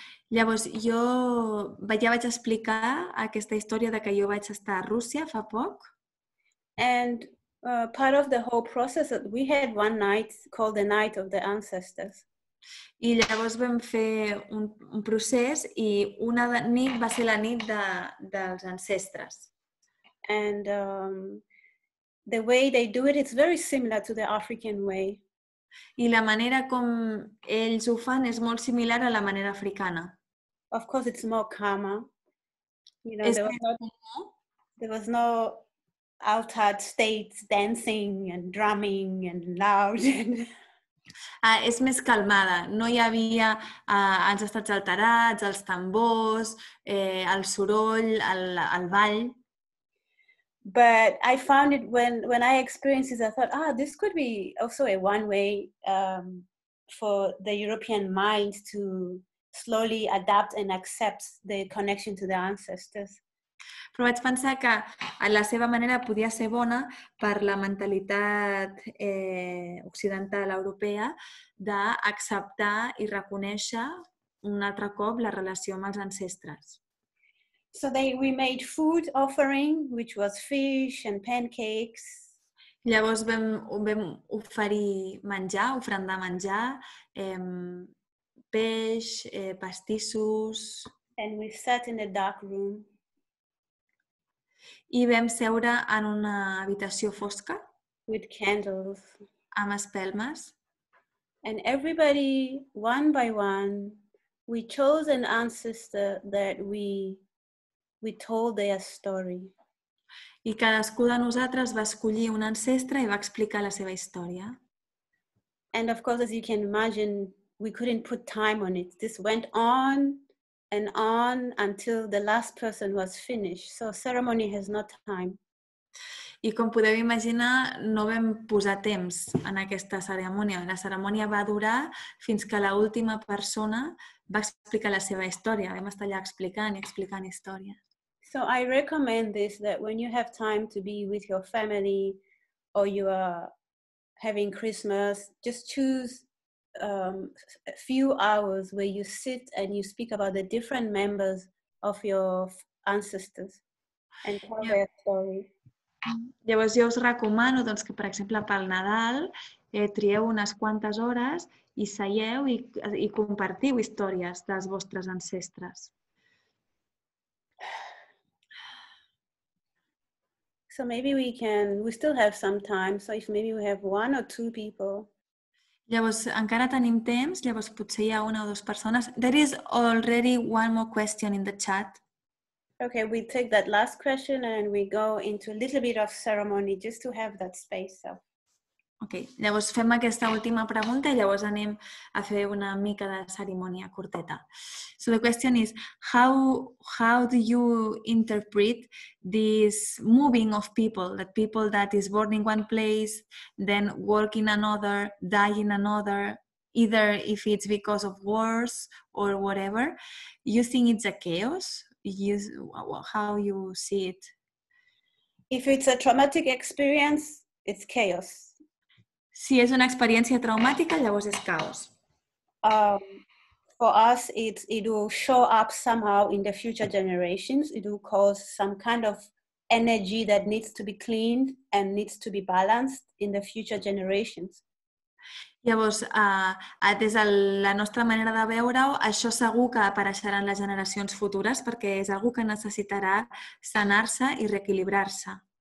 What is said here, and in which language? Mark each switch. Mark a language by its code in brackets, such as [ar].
[ca] Llavors, jo ja vaig explicar aquesta història de que jo vaig estar a Rússia fa poc. [en] And... part of the whole process that we had one night called the night of the ancestors. [ca] I llavors vam fer un procés i una nit va ser la nit dels ancestres. [en] And the way they do it, it's very similar to the African way. [ca] I la manera com ells ho fan és molt similar a la manera africana. [en] Of course, it's more calmer. You know, there was no altered states, dancing and drumming and loud. [ca] És més calmada. No hi havia els estats alterats, els tambors, el soroll, el ball. [en] But I found it when I experienced this, I thought, this could be also a one way for the European mind to slowly adapt and accept the connection to the ancestors. [ca] Però vaig pensar que la seva manera podia ser bona per la mentalitat occidental europea d'acceptar i reconèixer un altre cop la relació amb els ancestres. [en] So we made food offering, which was fish and pancakes. [ca] Llavors vam oferir menjar, ofrendar menjar, peix, pastissos. [en] And we sat in a dark room. [ca] I vam seure en una habitació fosca. [en] With candles. [ca] Amb espelmes. [en] And everybody, one by one, we chose an ancestor that we told their story. [ca] I cadascú de nosaltres va escollir un ancestre i va explicar la seva història. [en] And of course, as you can imagine, we couldn't put time on it. This went on and on until the last person was finished. So ceremony has no time. [ca] I com podeu imaginar, no vam posar temps en aquesta cerimònia. La cerimònia va durar fins que l'última persona va explicar la seva història. Vam estar allà explicant i explicant història. [en] So I recommend this, that when you have time to be with your family or you are having Christmas, just choose a few hours where you sit and you speak about the different members of your ancestors and tell their story. [ca] Llavors jo us recomano doncs, que, per exemple, pel Nadal trieu unes quantes hores i seieu i compartiu històries dels vostres ancestres. [en] So maybe we can, we still have some time, so if maybe we have one or two people. [ca] Llavors, encara tenim temps, llavors potser hi ha una o dues persones. [en] There is already one more question in the chat. Okay, we take that last question and we go into a little bit of ceremony just to have that space. So. [ca] Okay, llavors fem aquesta última pregunta i llavors anem a fer una mica de cerimònia corteta. [en] So the question is, how do you interpret this moving of people, that people that is born in one place, then work in another, die in another, either if it's because of wars or whatever? You think it's a chaos? How you see it? If it's a traumatic experience, it's chaos. [ca] Si és una experiència traumàtica, llavors és caos. [en] For us, it will show up somehow in the future generations. It will cause some kind of energy that needs to be cleaned and needs to be balanced in the future generations. [ca] Llavors, des de la nostra manera de veure-ho, això segur que apareixerà en les generacions futures perquè és algú que necessitarà sanar-se i reequilibrar-se.